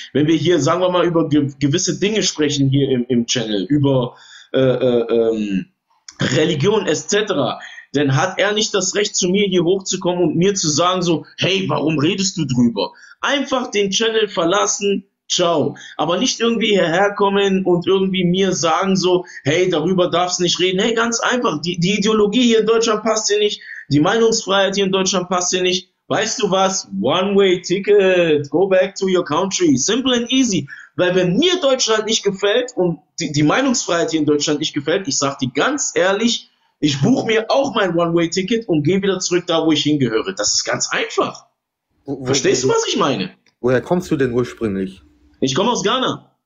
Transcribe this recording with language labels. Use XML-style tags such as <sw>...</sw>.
<de>Wenn wir hier, sagen wir mal, über gewisse Dinge sprechen hier im Channel, über Religion etc., dann hat er nicht das Recht, zu mir hier hochzukommen und mir zu sagen so, hey, warum redest du drüber? Einfach den Channel verlassen. Ciao. Aber nicht irgendwie hierher kommen und irgendwie mir sagen so, hey, darüber darfst nicht reden. Hey, ganz einfach, die Ideologie hier in Deutschland passt dir nicht, die Meinungsfreiheit hier in Deutschland passt dir nicht Weißt du was?</de> <en>One-Way-Ticket, go back to your country. Simple and easy.</en> <de>Weil wenn mir Deutschland nicht gefällt und die Meinungsfreiheit hier in Deutschland nicht gefällt, ich sag dir ganz ehrlich, ich buche mir auch mein One-Way-Ticket und gehe wieder zurück da, wo ich hingehöre. Das ist ganz einfach. Verstehst du, was ich meine? Woher kommst du denn ursprünglich? Ich komme aus Ghana.</de>